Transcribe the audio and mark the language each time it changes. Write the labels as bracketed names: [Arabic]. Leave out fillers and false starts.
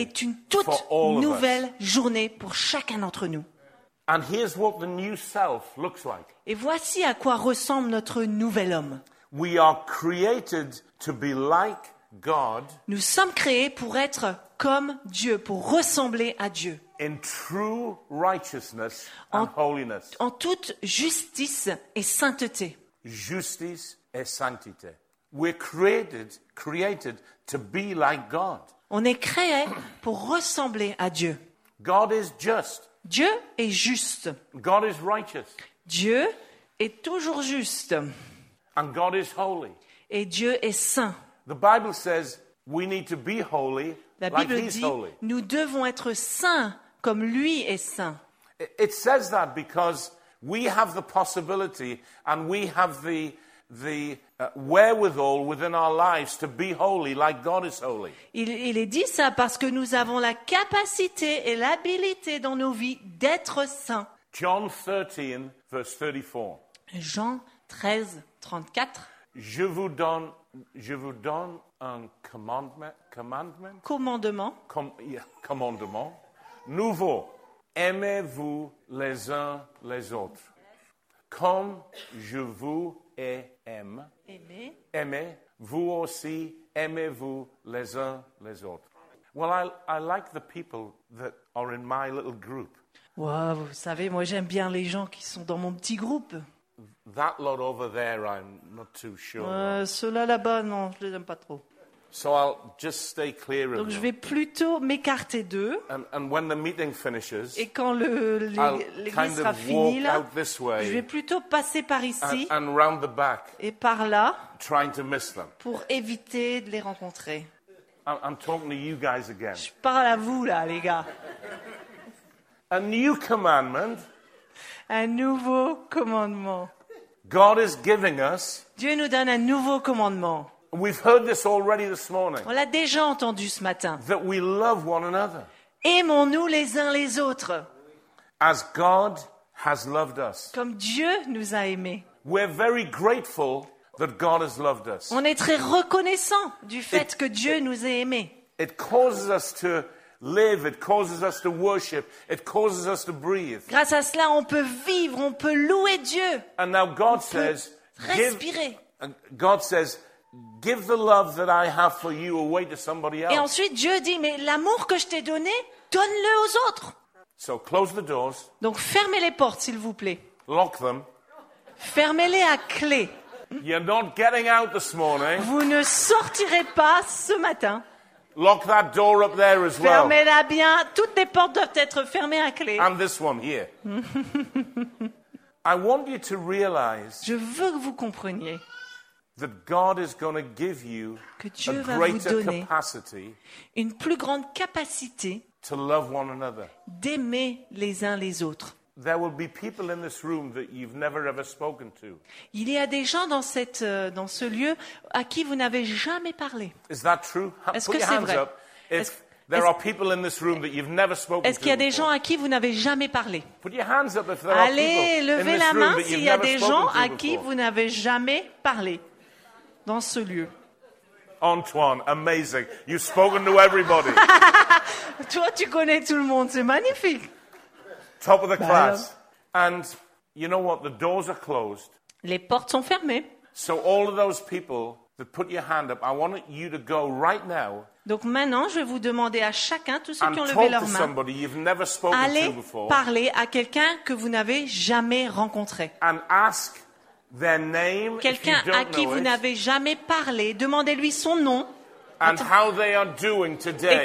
[French] est une toute nouvelle journée pour chacun d'entre nous. [English] And here's what the new self looks like. [French] Et voici à quoi ressemble notre nouvel homme. [English] We are created to be like God. [French] Nous sommes créés pour être comme Dieu, pour ressembler à Dieu. [English] In true righteousness and holiness. [French] En toute justice et sainteté. Justice et sainteté. [English] We're created to be like God. [French] On est créé pour ressembler à Dieu. [English] God is just. [French] Dieu est juste. [English] God is righteous. [French] Dieu est toujours juste. [English] And God is holy. [French] Et Dieu est saint. [English] The Bible says we need to be holy. [French] La Bible [English] like [French] dit, nous devons être saints comme lui est saint. [English] It says that because we have the possibility and we have the wherewithal within our lives to be holy like God is holy. [French] Il est dit ça parce que nous avons la capacité et l'habilité dans nos vies d'être saints. [English] John 13 verse 34. [French] Jean 13 34. Je vous donne un commandement nouveau. Aimez-vous les uns les autres. Comme je vous ai aimé, vous aussi aimez-vous les uns les autres. [English] Well, I like the people that are in my little group. [French] Wow, vous savez, moi j'aime bien les gens qui sont dans mon petit groupe. [English] That lot over there, I'm not too sure. [French] Ceux-là là-bas, non, je les aime pas trop. [English] So I'll just stay clear of them. [French] Donc je vais plutôt m'écarter d'eux. [English] And when the meeting finishes, [French] et quand l'église sera finie là, [English] way, [French] je vais plutôt passer par ici [English] and round the back, [French] et par là, [English] trying to miss them. [French] Pour éviter de les rencontrer. [English] I'm talking to you guys again. [French] Je parle à vous là, les gars. [English] A new commandment. [French] Un nouveau commandement. [English] God is giving us. [French] Dieu nous donne un nouveau commandement. [English] We've heard this already this morning. [French] On l'a déjà entendu ce matin. [English] That we love one another. [French] Aimons-nous les uns les autres. [English] As God has loved us. [French] Comme Dieu nous a aimés. [English] We're very grateful that God has loved us. [French] On est très reconnaissant du fait que Dieu nous ait aimés. [English] It causes us to live, it causes us to worship, it causes us to breathe. [French] Grâce à cela, on peut vivre, on peut louer Dieu. [English] And now God [French] on [English] says, [French] respirer. [English] God says, give the love that I have for you away to somebody else. [French] Et ensuite Dieu dit, mais l'amour que je t'ai donné, donne-le aux autres. [English] So close the doors. [French] Donc fermez les portes, s'il vous plaît. [English] Lock them. [French] Fermez-les à clé. [English] You're not getting out this morning. [French] Vous ne sortirez pas ce matin. [English] Lock that door up there as well. [French] Fermez-la bien. Toutes les portes doivent être fermées à clé. [English] And this one here. I want you to realize. [French] Je veux que vous compreniez. [English] That God is going to give you [French] que Dieu [English] a greater capacity. [French] Une plus grande capacité. [English] To love one another. [French] D'aimer les uns les autres. [English] There will be people in this room that you've never ever spoken to. [French] Il y a des gens dans ce lieu à qui vous n'avez jamais parlé. [English] Is that true? [French] Est-ce que c'est vrai? [English] There are people in this room that you've never spoken to. [French] Est-ce qu'il y a des gens à qui vous n'avez jamais parlé? [English] Put your hands up if there [French] Allez, [English] are people [French] levez [English] in this [French] la main [English] room [French] s'il y a des gens à qui vous n'avez jamais parlé dans ce lieu. [English] Antoine, amazing. You've spoken to everybody. [French] Toi, tu connais tout le monde, c'est magnifique. [English] Top of the class. And you know what? The doors are closed. [French] Les portes sont fermées. [English] So all of those people that put your hand up, I want you to go right now. [French] Donc maintenant, je vais vous demander à chacun, tous ceux qui ont levé leur main, allez parler à quelqu'un que vous n'avez jamais rencontré. [English] And ask their name. [French] Quelqu'un [English] if you don't [French] à qui [English] know [French] vous [English] it. [French] N'avez jamais parlé, demandez-lui son nom. [English] And how they are doing today.